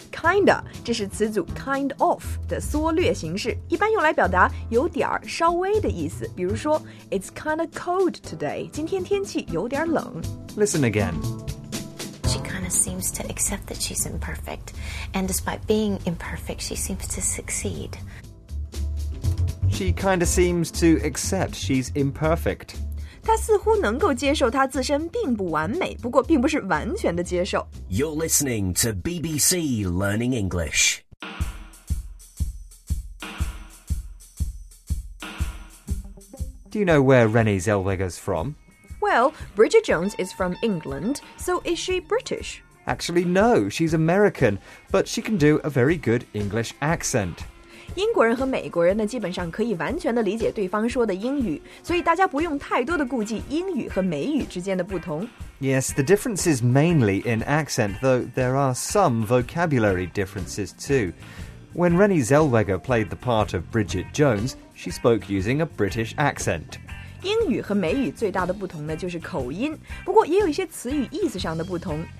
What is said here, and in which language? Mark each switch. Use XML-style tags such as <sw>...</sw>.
<zh>Kinda, 这是词组 kind of 的缩略形式，一般用来表达有点稍微的意思。比如说 it's kinda cold today, 今天天气有点冷。</zh> <en>Listen again. She kinda seems to accept that she's imperfect, and despite being imperfect, she seems to succeed. She kinda seems to accept she's imperfect.</en> <zh>他似乎能够接受他自身并不完美，不过并不是完全的接受。</zh> <en>You're listening to BBC Learning English. Do you know where Renee Zellweger's from? Well, Bridget Jones is from England, so is she British? Actually, no, she's American, but she can do a very good English accent.</en> <zh>英国人和美国人呢，基本上可以完全的理解对方说的英语，所以大家不用太多的顾忌英语和美语之间的不同。</zh> <en>Yes, the difference is mainly in accent, though there are some vocabulary differences too. When Renee Zellweger played the part of Bridget Jones, she spoke using a British accent.</en> <zh>英语和美语最大的不同呢就是口音，不过也有一些词语意思上的不同。</zh>